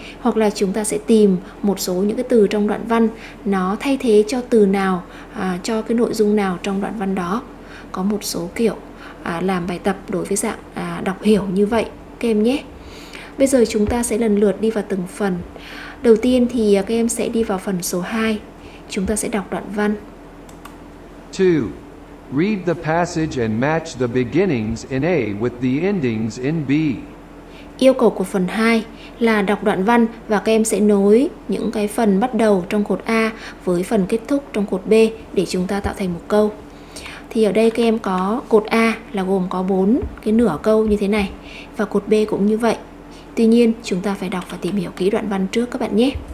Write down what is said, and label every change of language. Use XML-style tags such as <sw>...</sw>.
<vi>Hoặc là chúng ta sẽ tìm một số những cái từ trong đoạn văn nó thay thế cho từ nào, cho cái nội dung nào trong đoạn văn đó. Có một số kiểu làm bài tập đối với dạng đọc hiểu như vậy các em nhé. Bây giờ chúng ta sẽ lần lượt đi vào từng phần. Đầu tiên thì các em sẽ đi vào phần số 2. Chúng ta sẽ đọc đoạn văn. 2.</vi> <en>Read the passage and match the beginnings in A with the endings in B.</en> <vi>Yêu cầu của phần 2 là đọc đoạn văn và các em sẽ nối những cái phần bắt đầu trong cột A với phần kết thúc trong cột B để chúng ta tạo thành một câu. Thì ở đây các em có cột A là gồm có 4 cái nửa câu như thế này. Và cột B cũng như vậy. Tuy nhiên chúng ta phải đọc và tìm hiểu kỹ đoạn văn trước các bạn nhé.</vi>